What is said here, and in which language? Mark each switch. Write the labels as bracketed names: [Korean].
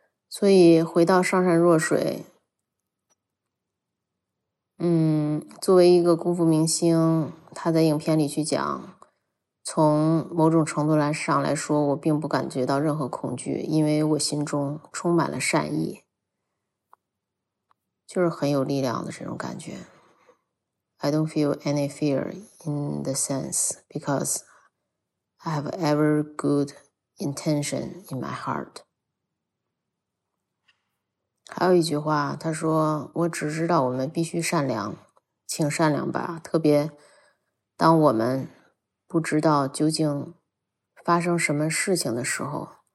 [Chinese] 所以回到上善若水，作为一个功夫明星，他在影片里去讲，从某种程度来上来说，我并不感觉到任何恐惧，因为我心中充满了善意，就是很有力量的这种感觉。 [English] I don't feel any fear in the sense because I have every good intention in my heart。 [Chinese] 还有一句话，他说，我只知道我们必须善良，请善良吧，特别当我们不知道究竟发生什么事情的时候。